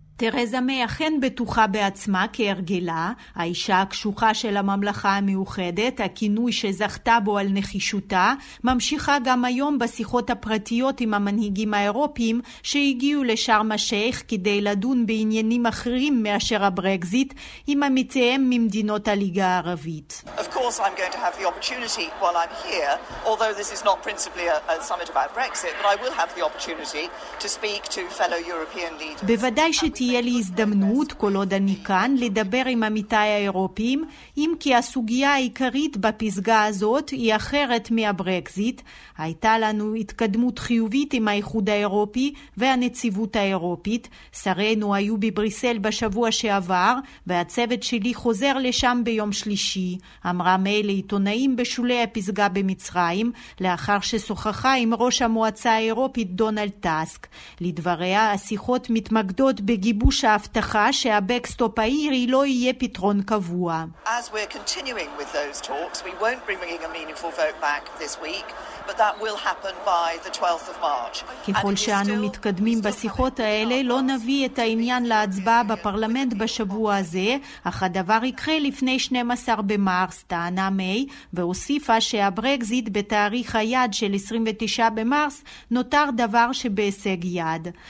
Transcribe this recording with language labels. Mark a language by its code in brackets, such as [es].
[he] תרזה מיי אכן בטוחה בעצמה כהרגלה, האישה הקשוחה של הממלכה המאוחדת, הכינוי שזכתה בו על נחישותה, ממשיכה גם היום בשיחות הפרטיות עם המנהיגים האירופיים שהגיעו לשארם א-שייח כדי לדון בעניינים אחרים מאשר הברקזיט עם עמיתיהם ממדינות הליגה הערבית. [en] Of course I'm going to have the opportunity while I'm here, although this is not principally a summit about Brexit, but I will have the opportunity to speak to fellow European leaders. [he] בוודאי תהיה לי הזדמנות, כל עוד אני כאן, לדבר עם עמיתי האירופים, אם כי הסוגיה העיקרית בפסגה הזאת היא אחרת מהברקזיט. הייתה לנו התקדמות חיובית עם האיחוד האירופי והנציבות האירופית. שרינו היו בבריסל בשבוע שעבר, והצוות שלי חוזר לשם ביום שלישי, אמרה מיי לעיתונאים בשולי הפסגה במצרים, לאחר ששוחחה עם ראש המועצה האירופית דונלד טאסק. לדבריה, השיחות מתמקדות בגיבור גיבוש ההבטחה שהבקסטופ האירי לא יהיה פתרון קבוע. [en] As we're continuing with those talks, we won't be bringing a meaningful vote back this week, but that will happen by the 12th of March. [he] ככל שאנו מתקדמים בשיחות האלה, לא נביא את העניין להצבעה בפרלמנט בשבוע הזה, אך הדבר יקרה לפני 12 במרס, טענה מיי, והוסיפה שהברקזיט בתאריך היד של 29 במרס נותר דבר שבהישג יד.